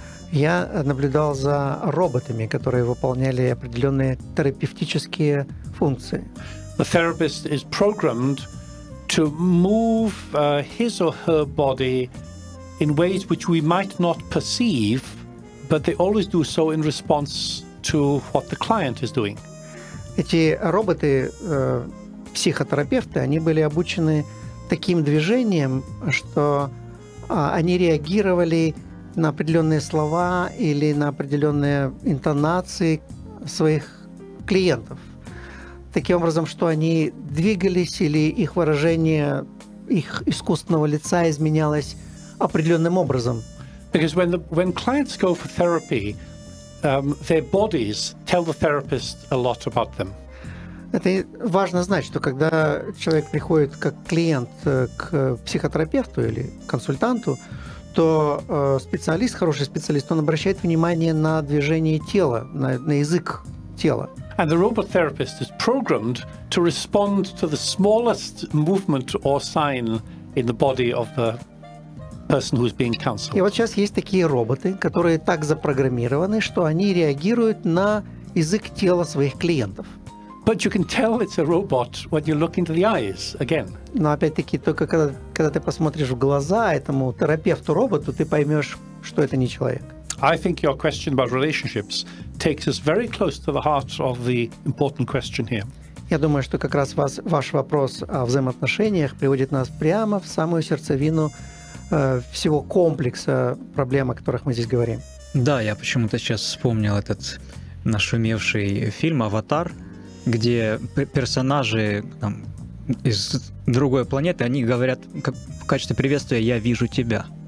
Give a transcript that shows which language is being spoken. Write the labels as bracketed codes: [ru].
[ru] Я наблюдал за роботами, которые выполняли определенные терапевтические функции. [en] The therapist is programmed to move his or her body in ways which we might not perceive, but they always do so in response to what the client is doing. [ru] Эти роботы, психотерапевты, они были обучены таким движением, что они реагировали на определенные слова или на определенные интонации своих клиентов. Таким образом, что они двигались или их выражение, их искусственного лица изменялось определенным образом. [en] Because when clients go for therapy, their bodies tell the therapist a lot about them. [ru] Это важно знать, что когда человек приходит как клиент к психотерапевту или консультанту, то специалист, хороший специалист, он обращает внимание на движение тела, на язык тела. [en] And the robot therapist is programmed to respond to the smallest movement or sign in the body of the person who is being counseled. [ru] И вот сейчас есть такие роботы, которые так запрограммированы, что они реагируют на язык тела своих клиентов. [en] But you can tell it's a robot when you look into the eyes again. [ru] Но опять-таки, только когда ты посмотришь в глаза этому терапевту-роботу, ты поймешь, что это не человек. [en] I think your question about relationships takes us very close to the heart of the important question here. [ru] Я думаю, что как раз ваш вопрос о взаимоотношениях приводит нас прямо в самую сердцевину всего комплекса проблем, о которых мы здесь говорим. Да, я почему-то сейчас вспомнил этот нашумевший фильм «Аватар», где персонажи там, из другой планеты, они говорят как, в качестве приветствия «я вижу тебя».